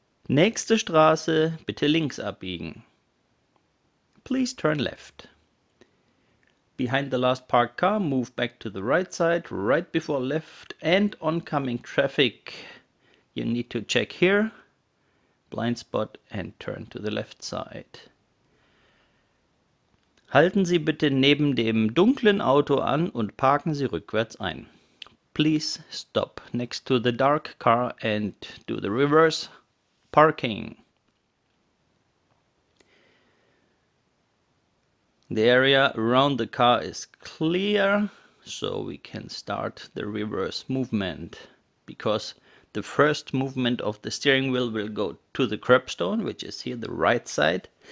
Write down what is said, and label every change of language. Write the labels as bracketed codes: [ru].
[de] Nächste Straße, bitte links abbiegen. [en] Please turn left. Behind the last parked car, move back to the right side, right before left, and oncoming traffic. You need to check here, blind spot, and turn to the left side. [de] Halten Sie bitte neben dem dunklen Auto an und parken Sie rückwärts ein. [en] Please stop next to the dark car and do the reverse parking. The area around the car is clear, so we can start the reverse movement because the first movement of the steering wheel will go to the curbstone, which is here the right side.